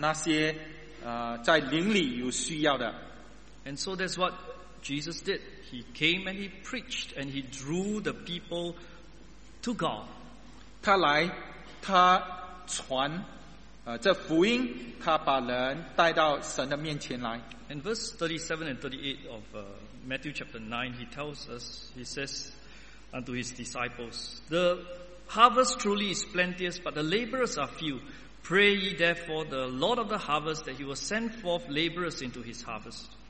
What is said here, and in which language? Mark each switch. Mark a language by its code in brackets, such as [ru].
[zh] 我们是有灵的人，因此我们也能够感触到那些在灵里有需要的。 [en] And so that's what Jesus did. He came and he preached and he drew the people to God. [zh] 他来，他传这福音， 他把人带到神的面前来。 [en] And verse 37 and 38 of Matthew chapter 9, he tells us, he says unto his disciples, the harvest truly is plenteous, but the laborers are few. Pray ye therefore the Lord of the harvest that he will send forth laborers into his harvest.